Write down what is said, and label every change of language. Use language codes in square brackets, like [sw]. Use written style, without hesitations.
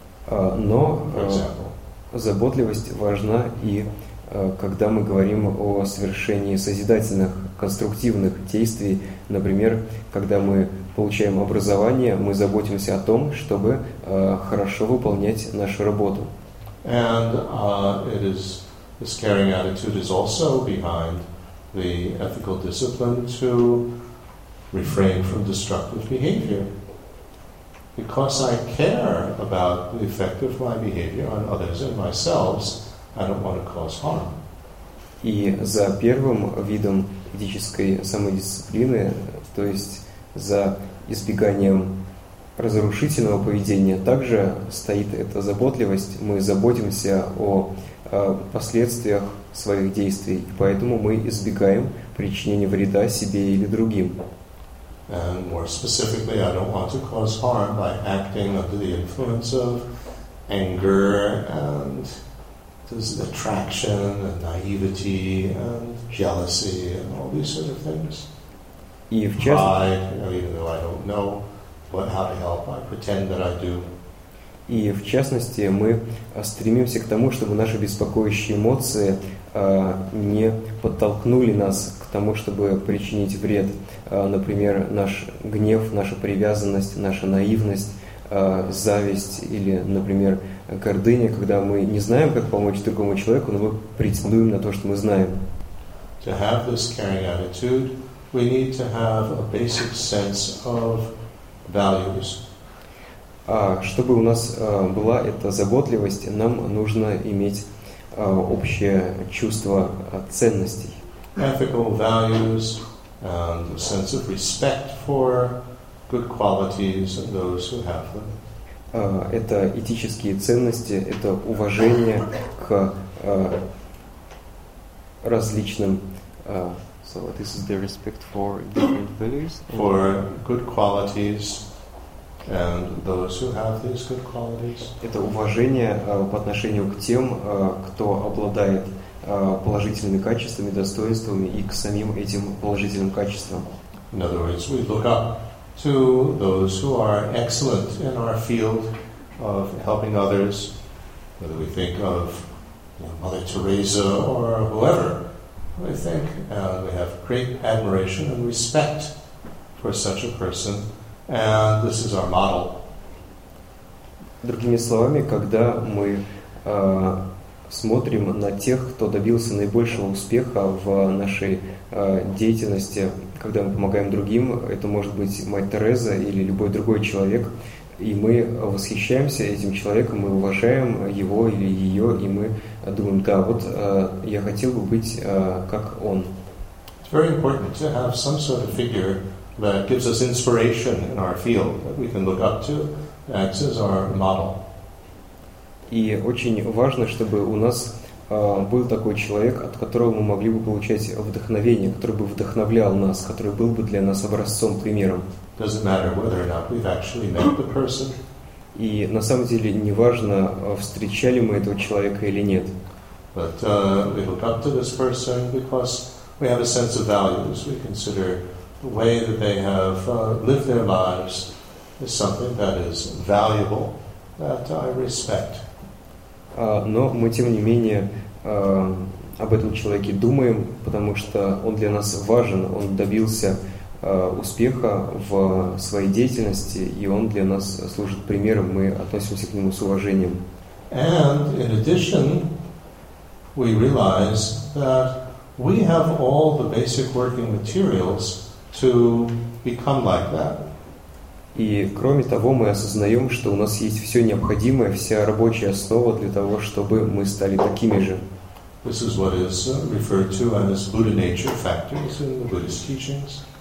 [ru] Но заботливость важна и когда мы говорим о совершении созидательных, конструктивных действий, например, когда мы получаем образование, мы заботимся о том, чтобы хорошо выполнять нашу работу. [en] And it is this caring attitude is also behind the ethical discipline to refrain from destructive behavior. Because I care about the effect of my behavior on others and myself, I don't want to cause harm. [ru] И за первым видом этической самодисциплины, то есть за избеганием разрушительного поведения, также стоит эта заботливость. Мы заботимся о последствиях своих действий, и поэтому мы избегаем причинения вреда себе или другим. [en] And more specifically, I don't want to cause harm by acting under the influence of anger and attraction and naivety and jealousy and all these sort of things. [ru] И в частности, [en] pride, you know, even though I don't know what, how to help, I pretend that I do. [ru] И в частности, мы стремимся к тому, чтобы наши беспокоящие эмоции не подтолкнули нас к тому, чтобы причинить вред. Например, наш гнев, наша привязанность, наша наивность, зависть или, например, гордыня, когда мы не знаем, как помочь другому человеку, но мы претендуем на то, что мы знаем. [en] To have this caring attitude, we need to have a basic sense of values. [ru] Чтобы у нас была эта заботливость, нам нужно иметь общее чувство ценностей. [en] Ethical values and a sense of respect for good qualities and those who have them. [ru] Это этические ценности, это уважение к различным. [en] So this is the respect for different values. For good qualities. And those who have these good qualities, [ru] это уважение по отношению к тем, кто обладает положительными качествами, достоинствами и к самим этим положительным качествам. [en] In other words, we look up to those who are excellent in our field of helping others, whether we think of Mother Teresa or whoever we think, and we have great admiration and respect for such a person, and this is our model. [ru] Другими словами, когда мы смотрим на тех, кто добился наибольшего успеха в нашей деятельности, когда мы помогаем другим, это может быть Мать Тереза или любой другой человек, и мы восхищаемся этим человеком, мы уважаем его или ее, и мы думаем, да, вот я хотел бы быть как он. [en] It's very important to have some sort of figure that gives us inspiration in our field, that we can look up to, that is our model. [ru] И очень важно, чтобы у нас был такой человек, от которого мы могли бы получать вдохновение, который бы вдохновлял нас, который был бы для нас образцом, примером. [en] Doesn't matter whether or not we've actually met the person. [ru] И на самом деле не важно, встречали мы этого человека или нет. [en] But we look up to this person because we have a sense of values. We consider the way that they have lived their lives is something that is valuable, that I respect. [ru] Но мы тем не менее об этом человеке думаем, потому что он для нас важен, он добился успеха в своей деятельности, и он для нас служит примером, мы относимся к нему с уважением. [en] And in addition, we realize that we have all the basic working materials to become like that. [ru] И кроме того, мы осознаем, что у нас есть все необходимое, вся рабочая основа для того, чтобы мы стали такими же. [en] This is what is referred to as Buddha nature factors in the Buddhist teachings.